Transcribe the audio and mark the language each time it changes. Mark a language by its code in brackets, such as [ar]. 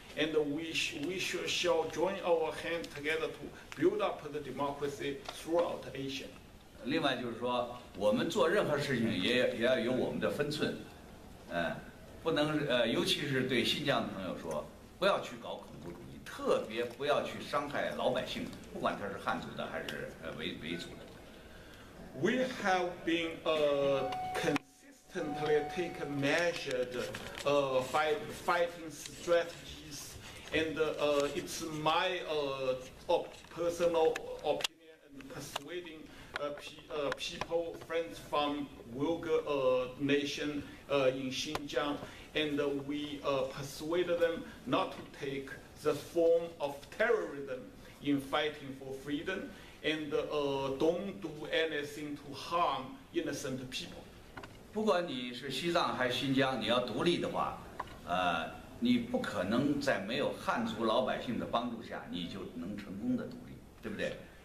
[en] And we shall join our hands together to build up the democracy throughout Asia. [zh] 另外就是说，我们做任何事情也要有我们的分寸，不能尤其是对新疆的朋友说，不要去搞恐怖主义，特别不要去伤害老百姓，不管他是汉族的还是维族的。 [en] We have been consistently taken measured fighting strategy. And it's my personal opinion and persuading people, friends from Uyghur nation in Xinjiang, and we persuaded them not to take the form of terrorism in fighting for freedom, and don't do anything to harm innocent people. [zh] 不管你是西藏还是新疆，你要独立的话，你不可能在没有汉族老百姓的帮助下，你就能成功的独立，对不对？